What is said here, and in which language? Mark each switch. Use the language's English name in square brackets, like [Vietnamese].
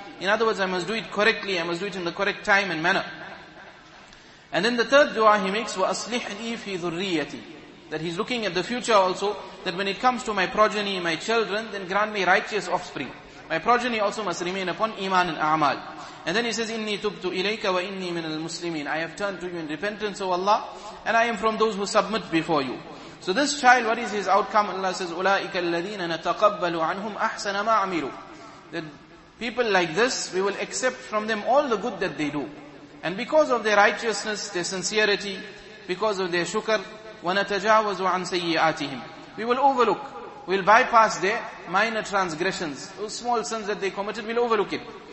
[English] In other words, I must do it correctly, I must do it in the correct time and manner. And then the third dua he makes, [Arabic] وَأَصْلِحْنِي فِي ذُرِّيَّتِي. [English] That he's looking at the future also, that when it comes to my progeny, my children, then grant me righteous offspring. My progeny also must remain upon iman and a'mal. And then he says, [Arabic] إِنِّي تُبْتُ إِلَيْكَ وَإِنِّي مِنَ الْمُسْلِمِينَ. [English] I have turned to you in repentance, O Allah, and I am from those who submit before you. So this child, what is his outcome? Allah says, [Arabic] أُولَٰئِكَ الَّذِينَ نَتَقَبَّلُ عَنْهُمْ أَحْسَنَ مَا عَمِلُوا. [English] That people like this, we will accept from them all the good that they do. And because of their righteousness, their sincerity, because of their shukr, [Arabic] وَنَتَجَاوَزُ عَنْ سَيِّئَاتِهِمْ. [English] We will overlook, we'll bypass their minor transgressions, those small sins that they committed, we'll overlook it.